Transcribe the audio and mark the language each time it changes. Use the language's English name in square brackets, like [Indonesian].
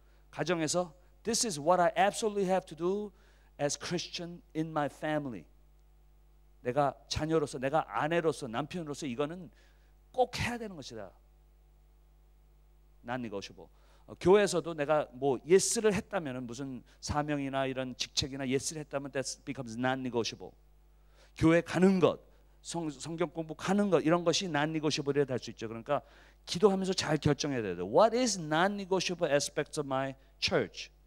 [Korean] 가정에서 [English] this is what I absolutely have to do as Christian in my family. [Korean] 내가 자녀로서, 내가 아내로서, 남편으로서 이거는 꼭 해야 되는 것이다. Non-negotiable. 교회에서도 내가 뭐 yes를 했다면 무슨 사명이나 이런 직책이나 yes를 했다면 [English] that becomes non-negotiable. [Korean] 교회 가는 것, 성경 공부 가는 것 이런 것이 non-negotiable이라 할 수 있죠. 그러니까 기도하면서 잘 결정해야 돼요. [English] What is non-negotiable aspect of my church?